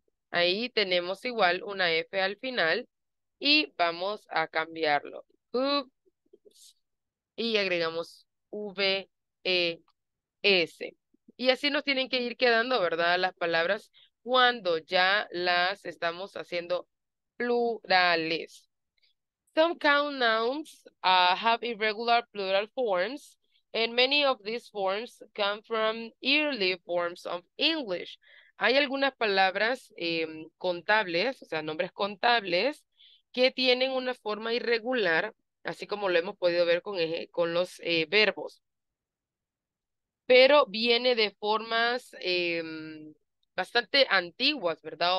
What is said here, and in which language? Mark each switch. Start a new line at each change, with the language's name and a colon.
Spanish: Ahí tenemos igual una F al final y vamos a cambiarlo. Hoof. Y agregamos V, E, S. Y así nos tienen que ir quedando, ¿verdad?, las palabras cuando ya las estamos haciendo plurales.
English: Some count nouns have irregular plural forms, and many of these forms come from early forms of English.
Spanish: Hay algunas palabras contables, o sea, nombres contables, que tienen una forma irregular, así como lo hemos podido ver con los verbos. Pero viene de formas bastante antiguas, ¿verdad?